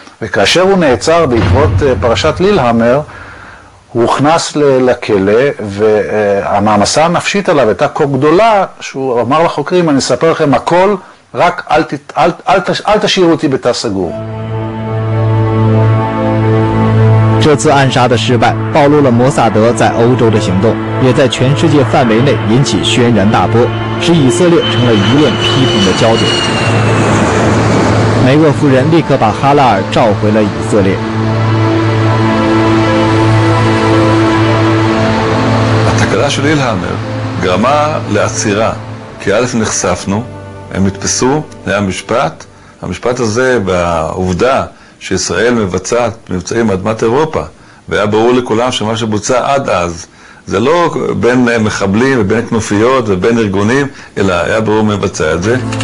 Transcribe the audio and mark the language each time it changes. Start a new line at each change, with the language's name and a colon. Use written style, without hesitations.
Hebrew: וכאשר הוא נעצר בעקבות פרשת לילהמר, הוא הוכנס לכלא, והמעמסה הנפשית עליו הייתה כה גדולה, שהוא אמר לחוקרים, אני אספר לכם הכל, רק אל תשאיר אותי בתא סגור.
Chinese: 这次暗杀的失败暴露了摩萨德在欧洲的行动，也在全世界范围内引起轩然大波，使以色列成了舆论批评的焦点。梅厄夫人立刻把哈拉尔召回了以色列。
Hebrew: הסדרה של אילהמר גרמה לעצירה, כי א' נחשפנו, הם התפסו, היה משפט, המשפט הזה בעובדה שישראל מבצעת מבצעים אדמת אירופה, והיה ברור לכולם שמה שבוצע עד אז, זה לא בין מחבלים ובין כנופיות ובין ארגונים, אלא היה ברור מבצע את זה.